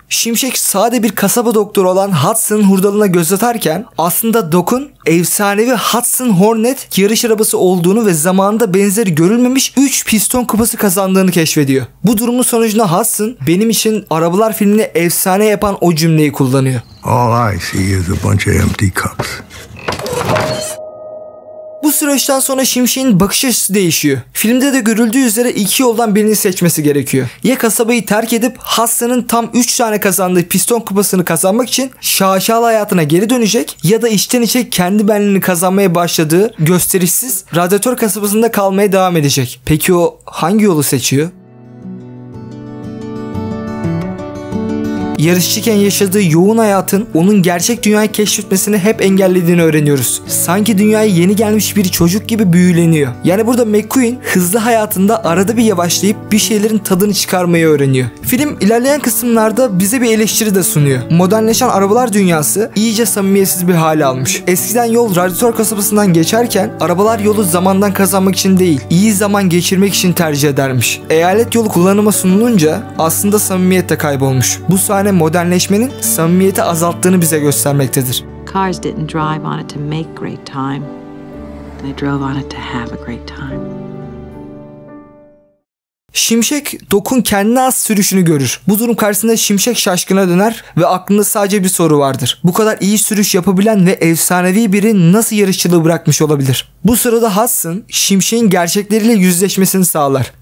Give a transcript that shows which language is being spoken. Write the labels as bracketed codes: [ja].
[tr] Şimşek sade bir kasaba doktoru olan Hudson'ın hurdalığına göz atarken aslında Doc'un efsanevi Hudson Hornet yarış arabası olduğunu ve zamanında benzeri görülmemiş 3 piston kupası kazandığını keşfediyor. Bu durumun sonucunda Hudson benim için Arabalar filmini efsane yapan o cümleyi kullanıyor. [en] All I see is a bunch of empty cups. [tr] Bu süreçten sonra Şimşek'in bakış açısı değişiyor. Filmde de görüldüğü üzere iki yoldan birini seçmesi gerekiyor. Ya kasabayı terk edip Hudson'ın tam 3 tane kazandığı piston kupasını kazanmak için şaşalı hayatına geri dönecek ya da içten içe kendi benliğini kazanmaya başladığı gösterişsiz radyatör kasabasında kalmaya devam edecek. Peki o hangi yolu seçiyor? Yarışçıken yaşadığı yoğun hayatın onun gerçek dünyayı keşfetmesini hep engellediğini öğreniyoruz. Sanki dünyaya yeni gelmiş bir çocuk gibi büyüleniyor. Yani burada McQueen hızlı hayatında arada bir yavaşlayıp bir şeylerin tadını çıkarmayı öğreniyor. Film ilerleyen kısımlarda bize bir eleştiri de sunuyor. Modernleşen arabalar dünyası iyice samimiyetsiz bir hale almış. Eskiden yol radyatör kasabasından geçerken arabalar yolu zamandan kazanmak için değil, iyi zaman geçirmek için tercih edermiş. Eyalet yolu kullanıma sunulunca aslında samimiyet de kaybolmuş. Bu yani modernleşmenin samimiyeti azalttığını bize göstermektedir. [en] Cars didn't drive on it to make great time. They drove on it to have a great time. [tr] Şimşek Doc'un kendine az sürüşünü görür. Bu durum karşısında Şimşek şaşkına döner ve aklında sadece bir soru vardır. Bu kadar iyi sürüş yapabilen ve efsanevi biri nasıl yarışçılığı bırakmış olabilir? Bu sırada Hudson Şimşek'in gerçekleriyle yüzleşmesini sağlar.